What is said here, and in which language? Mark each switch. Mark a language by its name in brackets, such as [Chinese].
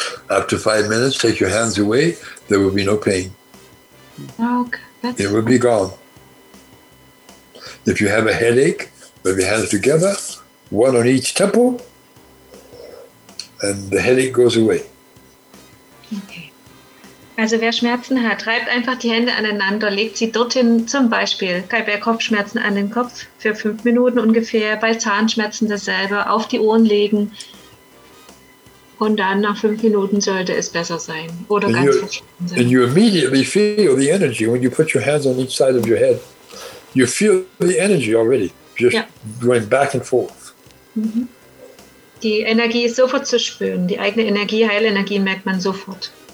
[English] After 5 minutes, take your hands away. There will be no pain. Okay, it will be gone. If you have a headache, rub your hands together, one on each temple, and the headache goes away. Okay. [German] Also, wer Schmerzen hat, reibt einfach die Hände aneinander, legt sie dorthin, zum Beispiel bei Kopfschmerzen an den Kopf für 5 Minuten ungefähr, bei Zahnschmerzen dasselbe, auf die Ohren legen. Und dann nach 5 Minuten sollte es besser sein. Oder [English] and [German] ganz verschwunden sein. [English] And you immediately feel the energy when you put your hands on each side of your head. You feel the energy already, just going back and forth. [German] Die Energie ist sofort zu spüren. Die eigene Energie, Heilenergie, merkt man sofort.